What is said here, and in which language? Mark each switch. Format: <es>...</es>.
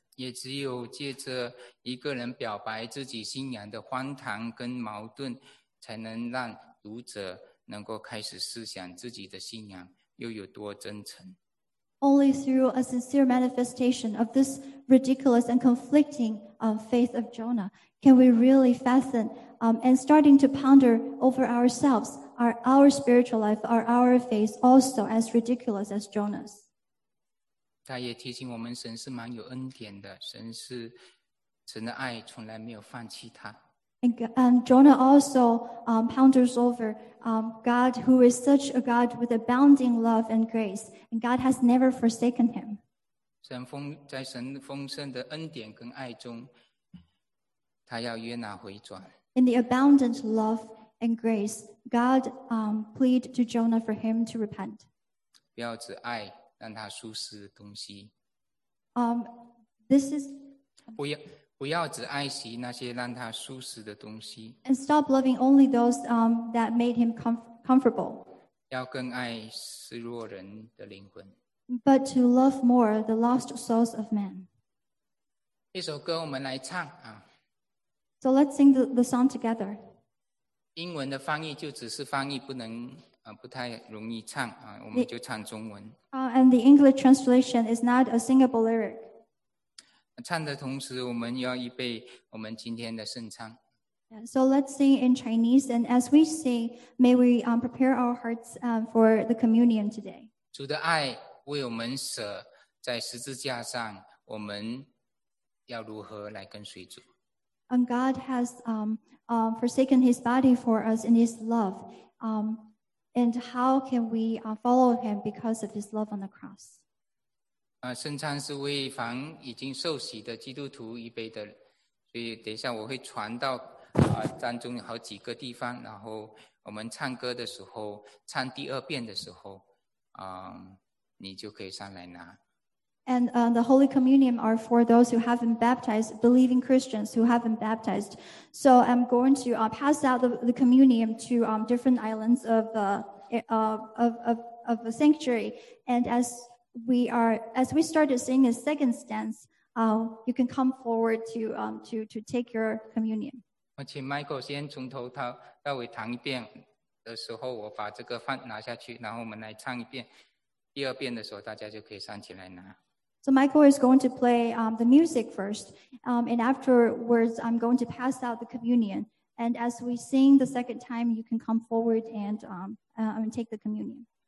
<zh>也只有借着一个人表白自己信仰的荒唐跟矛盾，才能让读者能够开始思想自己的信仰。又有多真诚。</zh> <en>Only through a sincere manifestation of this ridiculous and conflicting faith of Jonah can we really fasten and starting to ponder over ourselves, our spiritual life, our faith also as ridiculous as Jonah's.</en> <zh>他也提醒我们神是蛮有恩典的，神是神的爱从来没有放弃他。</zh> <en>And Jonah also ponders over God, who is such a God with abounding love and grace, and God has never forsaken him.</en> <zh>在神丰盛的恩典跟爱中，他要约拿回转。</zh> <en>In the abundant love and grace, God plead to Jonah for him to repent.</en> <zh>不要只爱让他舒适的东西。</zh> <en>This is.</en> <zh>不要只爱惜那些让他舒适的东西。</zh> <en>And stop loving only those that made him comfortable.</en> <zh>要更爱失落人的灵魂。</zh> <en>But to love more the lost souls of men.</en> <zh>一首歌我们来唱啊。</zh> <en>So let's sing the song together.</en> <zh>英文的翻译就只是翻译，不能不太容易唱啊，我们就唱中文。</zh> <en>And the English translation is not a singable lyric.</en> <zh>唱的同时，我们要预备我们今天的圣餐。</zh> <en>So let's sing in Chinese, and as we sing, may we prepare our hearts for the communion today.</en> <zh>主的爱为我们舍在十字架上，我们要如何来跟随主</zh> <en>？And God has forsaken His body for us in His love. And how can we follow Him because of His love on the cross?</en> <zh>圣餐是为凡已经受洗的基督徒预备的，所以等一下我会传到当中好几个地方，然后我们唱歌的时候，唱第二遍的时候，你就可以上来拿。</zh> <en>And the Holy Communion are for those who haven't baptized, believing Christians who haven't baptized. So I'm going to pass out the Communion to different islands of the sanctuary, and as we started singing a second stance, you can come forward to take your communion.</en> <zh>我请 Michael 先从头到尾弹一遍的时候，我把这个饭拿下去，然后我们来唱一遍。第二遍的时候，大家就可以上起来拿。</zh> <en>So Michael is going to play the music first, and afterwards I'm going to pass out the communion. And as we sing the second time, you can come forward and take the communion.</en>